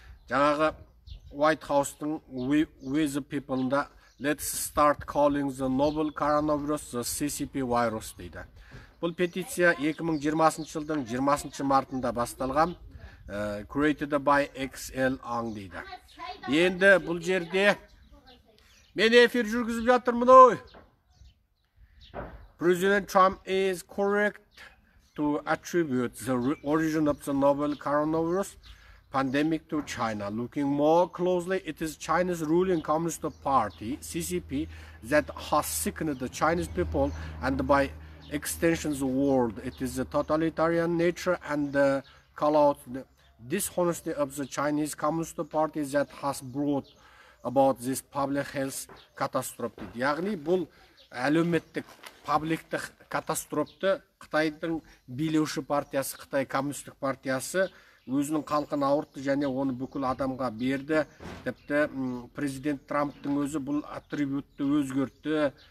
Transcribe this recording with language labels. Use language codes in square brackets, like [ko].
[kk] Жаңағы [en] White House-тың We the People-ында Let's start calling the novel coronavirus the CCP virus дейді. [kk] Бұл петиция 2020 жылдың 20 мартында басталған, [en] created by XL Ang [kk] дейді. Енді бұл жерде мен эфир жүргізіп жатырмын ой. [en] President Trump is correct to attribute the origin of the novel coronavirus pandemic to China. Looking more closely, it is China's ruling Communist Party, CCP, that has sickened the Chinese people and by extension the world. It is the totalitarian nature and the callout dishonesty of the Chinese Communist Party that has brought about this public health catastrophe. [kk] Яғни бұл әлеуметтік публиктік катастрофты Қытайдың билеуші партиясы, Қытай Коммунистік партиясы өзінің халқын ауыртты және оны бүкіл адамға берді. Тіпті президент Трамптың өзі бұл атрибутты өзгертті.